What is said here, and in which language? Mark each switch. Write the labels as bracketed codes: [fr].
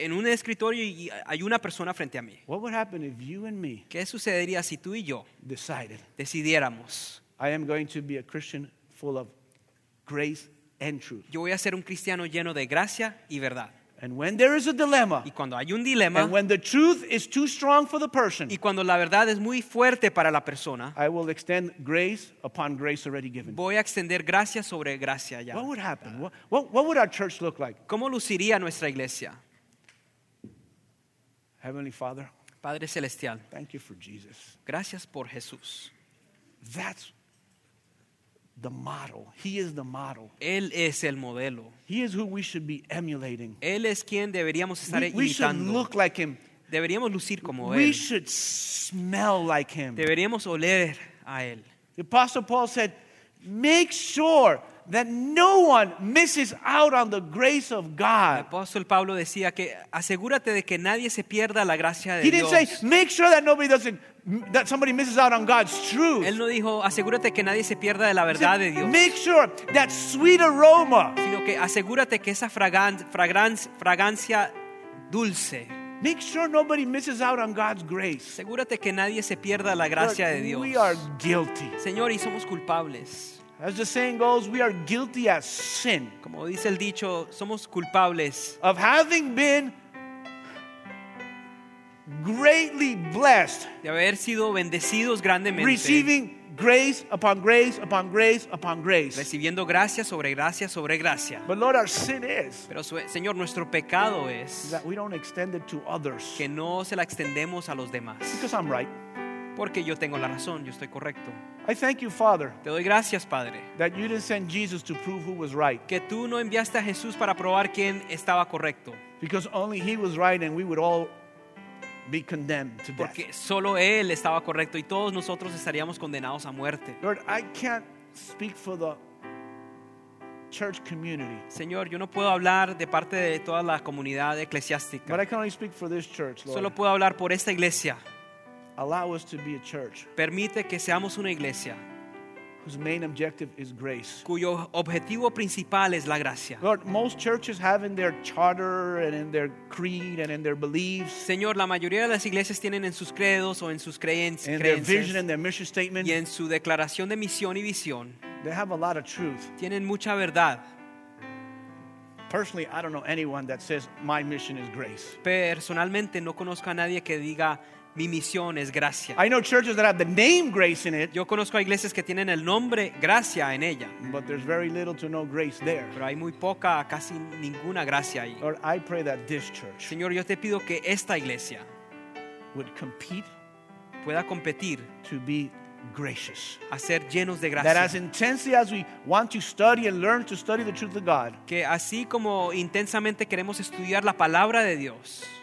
[es] En un escritorio y hay una persona frente a mí. [en] What would happen if you and me? [es] ¿Qué sucedería si tú y yo [en] decided? [es] Decidiéramos. [en] I am going to be a Christian full of grace and truth. [es] Yo voy a ser un cristiano lleno de gracia y verdad. [en] And when there is a dilemma, [es] y cuando hay un dilema, [en] and when the truth is too strong for the person, [es] y cuando la verdad es muy fuerte para la persona, [en] I will extend grace upon grace already given. [es] Voy a extender gracia sobre gracia ya. [en] What would happen? What would our church look like? [es] ¿Cómo luciría nuestra iglesia? [en] Heavenly Father, [es] Padre Celestial, [en] thank you for Jesus. [es] Gracias por Jesús. [en] That's the model. He is the model. [es] Él es el modelo. [en] He is who we should be emulating. [es] Él es quien deberíamos estar imitando. [en] We should look like him. [es] Deberíamos lucir como él. [en] We should smell like him. [es] Deberíamos oler a él. [en] The Apostle Paul said, make sure that no one misses out on the grace of God. [es] El apóstol Pablo decía que asegúrate de que nadie se pierda la gracia de [en] Dios. He didn't [es] Dios. [en] Say, make sure that nobody doesn't, that somebody misses out on God's truth. [es] Él no dijo, asegúrate que nadie se pierda de la verdad [en] said, [es] de Dios. [en] Make sure that sweet aroma. [es] Sino que asegúrate que esa fragancia dulce. [en] Make sure nobody misses out on God's grace. [es] Asegúrate que nadie se pierda la gracia [en] Lord, [es] de Dios. [en] We are guilty. [es] Señor, y somos culpables. [en] As the saying goes, we are guilty as sin. [es] Como dice el dicho, somos culpables. [en] Of having been greatly blessed. [es] De haber sido bendecidos grandemente. [en] Receiving grace upon grace upon grace upon grace. [es] Recibiendo gracia sobre gracia sobre gracia. [en] But Lord, our sin is. [es] Pero Señor, nuestro pecado es. [en] That we don't extend it to others. [es] Que no se la extendemos a los demás. [en] Because I'm right. [es] Porque yo tengo la razón, yo estoy correcto. [en] I thank you, Father. [es] Te doy gracias, Padre. [en] That you didn't send Jesus to prove who was right. [es] Que tú no enviaste a Jesús para probar quién estaba correcto. [en] Because only he was right and we would all be condemned to death. [es] Porque solo él estaba correcto y todos nosotros estaríamos condenados a muerte. [en] Lord, I can't speak for the church community. [es] Señor, yo no puedo hablar de parte de toda la comunidad eclesiástica. [en] But I can only speak for this church, Lord. [es] Solo puedo hablar por esta iglesia. [en] Allow us to be a church. [es] Permite que seamos una iglesia. [en] whose main objective is grace. [es] Cuyo objetivo principal es la gracia. [en] Lord, most churches have in their charter and in their creed and in their beliefs. [es] Señor, la mayoría de las iglesias tienen en sus credos o en sus creencias. [en] In their vision and their mission statement. [es] Y en su declaración de misión y visión. [en] They have a lot of truth. [es] Tienen mucha verdad. [en] Personally, I don't know anyone that says my mission is grace. [es] Personalmente, no conozco a nadie que diga mi misión es gracia. [en] I know churches that have the name grace in it. [es] Yo conozco a iglesias que tienen el nombre gracia en ella. [en] But there's very little to no grace there. [es] Pero hay muy poca, casi ninguna gracia ahí. [en] Lord, I pray that this church, [es] Señor, yo te pido que esta iglesia [en] would compete, [es] pueda competir, [en] to be gracious, [es] a ser llenos de gracia. [en] That as intensely as we want to study and learn to study the truth of God, [es] que así como intensamente queremos estudiar la palabra de Dios,